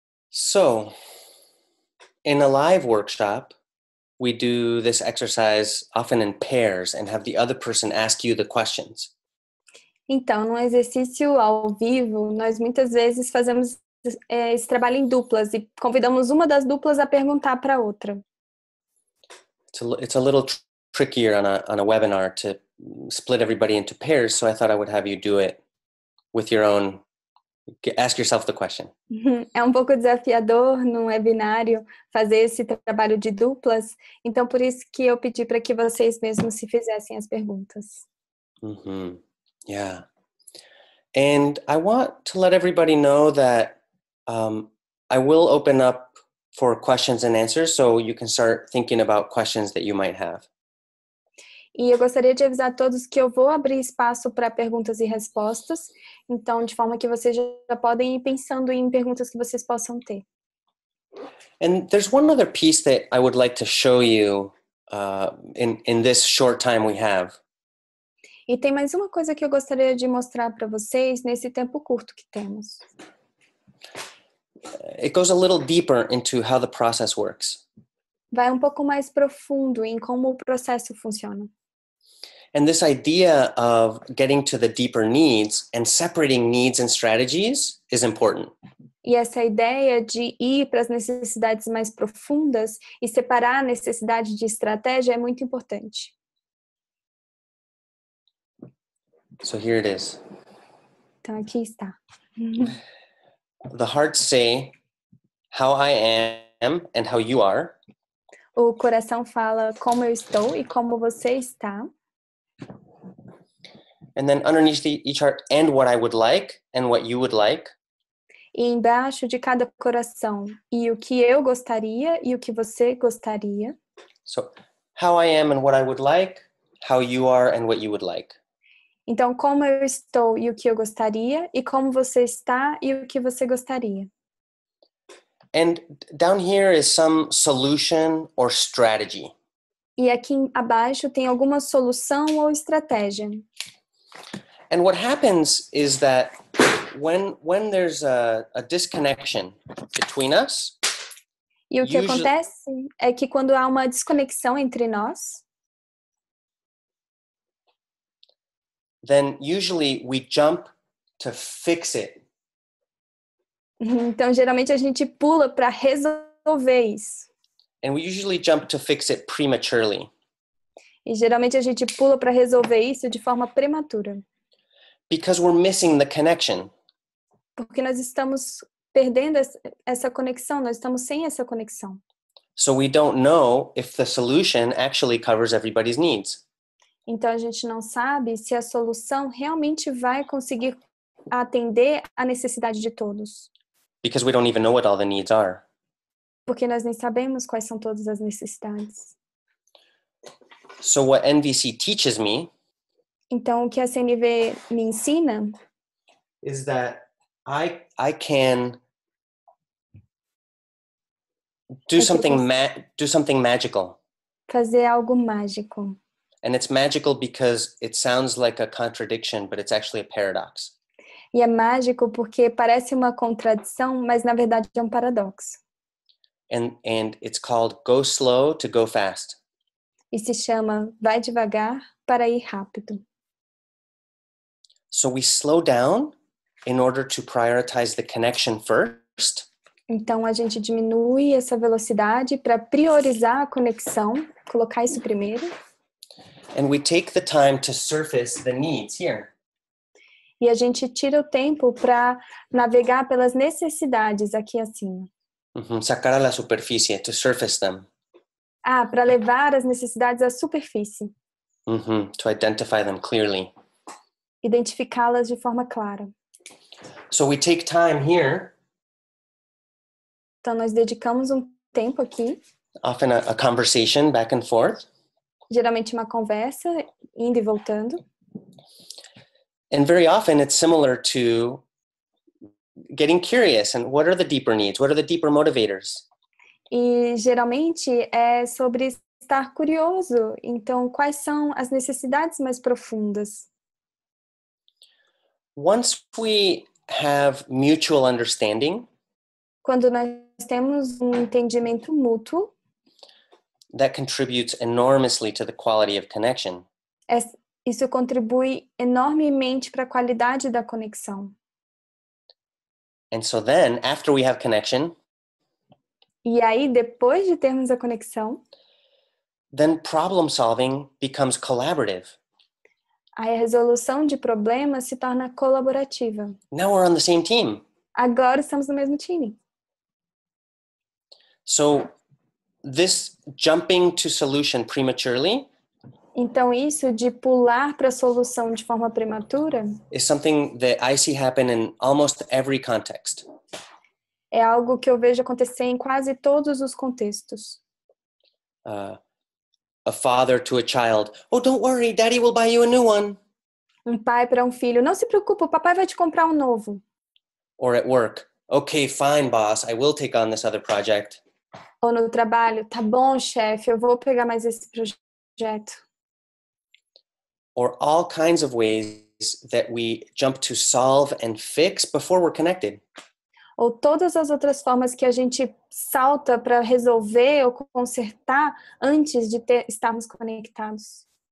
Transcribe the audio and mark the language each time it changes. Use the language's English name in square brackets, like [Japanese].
[English] So, in a live workshop, we do this exercise often in pairs and have the other person ask you the questions. [Portuguese] Então, no exercício ao vivo, nós muitas vezes fazemos esse trabalho em duplas e convidamos uma das duplas a perguntar para a outra. [English] It's a little trickier on a webinar to split everybody into pairs, so I thought I would have you do it with your own. Ask yourself the question. [Portuguese] É um pouco desafiador num webinário fazer esse trabalho de duplas, então por isso que eu pedi para que vocês mesmos se fizessem as perguntas. Uhum. Yeah. [English] And I want to let everybody know that I will open up for questions and answers, so you can start thinking about questions that you might have. [Portuguese] E eu gostaria de avisar a todos que eu vou abrir espaço para perguntas e respostas, então de forma que vocês já podem ir pensando em perguntas que vocês possam ter. [English] And there's one other piece that I would like to show you in this short time we have. [Portuguese] E tem mais uma coisa que eu gostaria de mostrar para vocês nesse tempo curto que temos. [English] It goes a little deeper into how the process works. [Portuguese] Vai um pouco mais profundo em como o processo funciona. [English] And this idea of getting to the deeper needs and separating needs and strategies is important. [Portuguese] E essa ideia de ir para as necessidades mais profundas e separar a necessidade de estratégia é muito importante. [English] So here it is. [Portuguese] Então aqui está. [English] The hearts say how I am and how you are. [Portuguese] O coração fala como eu estou e como você está. [English] And then underneath each heart, and what I would like and what you would like. [Portuguese] E embaixo de cada coração, e o que eu gostaria e o que você gostaria. [English] So how I am and what I would like, how you are and what you would like. [Portuguese] Então, como eu estou e o que eu gostaria, e como você está e o que você gostaria. [English] And down here is some solution or strategy. [Portuguese] E aqui abaixo tem alguma solução ou estratégia. [English] And what happens is that when there's a disconnection between us. [Portuguese] E o que acontece é que quando há uma desconexão entre nós. [English] Then usually we jump to fix it. [Portuguese] Então geralmente a gente pula para resolver isso. [English] And we usually jump to fix it prematurely. [Portuguese] E geralmente a gente pula para resolver isso de forma prematura. [English] Because we're missing the connection. [Portuguese] Porque nós estamos perdendo essa conexão, nós estamos sem essa conexão. [English] So we don't know if the solution actually covers everybody's needs. [Portuguese] Então, a gente não sabe se a solução realmente vai conseguir atender a necessidade de todos. [English] Because we don't even know what all the needs are. [Portuguese] Porque nós nem sabemos quais são todas as necessidades. [English] So what NVC teaches me... [Portuguese] Então, o que a CNV me ensina... [English] Is that I can... Do something magical. [Portuguese] Fazer algo mágico. [English] And it's magical because it sounds like a contradiction, but it's actually a paradox. [Portuguese] E é mágico porque parece uma contradição, mas na verdade é um paradoxo. [English] And it's called go slow to go fast. [Portuguese] E se chama vai devagar para ir rápido. [English] So we slow down in order to prioritize the connection first. [Portuguese] Então a gente diminui essa velocidade para priorizar a conexão, colocar isso primeiro. [English] And we take the time to surface the needs here. [Portuguese] E a gente tira o tempo para navegar pelas necessidades aqui acima. [Spanish] Uhum, sacar a la superficie, [English] to surface them. [Portuguese] Ah, para levar as necessidades à superfície. [English] Uhum, to identify them clearly. [Portuguese] Identificá-las de forma clara. [English] So we take time here. [Portuguese] Então nós dedicamos tempo aqui. [English] Often a conversation back and forth. [Portuguese] Geralmente uma conversa, indo e voltando. [English] And very often it's similar to getting curious and what are the deeper needs, what are the deeper motivators? [Portuguese] E geralmente é sobre estar curioso. Então, quais são as necessidades mais profundas? [English] Once we have mutual understanding, [Portuguese] quando nós temos um entendimento mútuo, [English] that contributes enormously to the quality of connection. [Portuguese] Isso contribui enormemente para a qualidade da conexão. [English] And so then, after we have connection, [Portuguese] e aí, depois de termos a conexão, [English] then problem solving becomes collaborative. [Portuguese] Aí a resolução de problemas se torna colaborativa. [English] Now we're on the same team. [Portuguese] Agora estamos no mesmo time. [English] So, this jumping to solution prematurely, [Portuguese] então isso de pular para a solução de forma prematura, [English] is something that I see happen in almost every context. [Portuguese] É algo que eu vejo acontecer em quase todos os contextos. [English] A father to a child. Oh, don't worry, daddy will buy you a new one. [Portuguese] Um pai para um filho. Não se preocupe, o papai vai te comprar um novo. [English] Or at work. Okay, fine, boss, I will take on this other project. [Portuguese] Ou no trabalho. Tá bom, chefe, eu vou pegar mais esse projeto. [English] Or all kinds of ways that we jump to solve and fix before we're connected. [Portuguese] Ou todas as outras formas que a gente salta para resolver ou consertar antes de estarmos conectados.